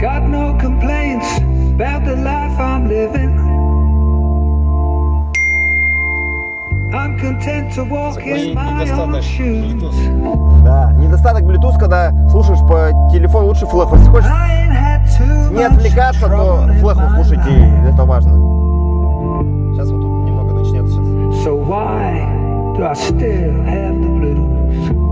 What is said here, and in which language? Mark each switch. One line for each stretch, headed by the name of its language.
English: Got no complaints about the life I'm living. I'm content to walk in my own shoes.
Russian: Да, недостаток Bluetooth, когда слушаешь по телефону, лучше флэху. Если хочешь не отвлекаться, то флэху слушайте, это важно. Сейчас вот тут немного начнется. Сейчас.
English: So why do I still have the blues?